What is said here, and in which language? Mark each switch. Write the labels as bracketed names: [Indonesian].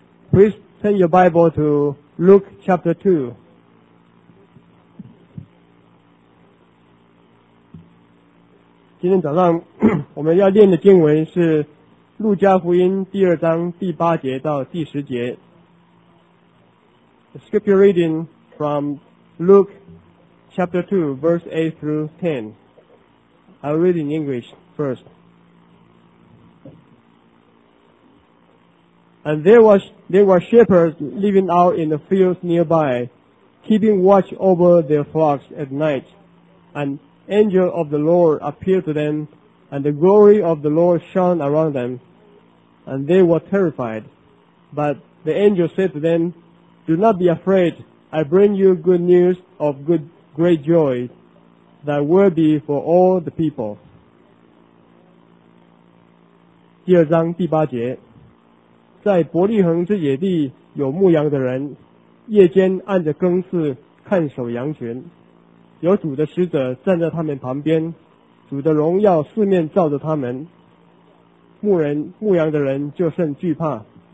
[English] Please turn your Bible to Luke chapter 2。 [Chinese] 今天早上我们要念的经文是路加福音第二章第八节到第十节。 [English] The scripture reading from Luke chapter 2 verse 8 through 10. I'll read in English first. And there were shepherds living out in the fields nearby, keeping watch over their flocks at night. An angel of the Lord appeared to them, and the glory of the Lord shone around them, and they were terrified. But the angel said to them, "Do not be afraid. I bring you good news of great joy that will be for all the people." [Chinese] 第二章第八节，在伯利恒之野地有牧羊的人，夜间按着更次看守羊群，有主的使者站在他们旁边，主的荣耀四面照着他们，牧羊的人就甚惧怕。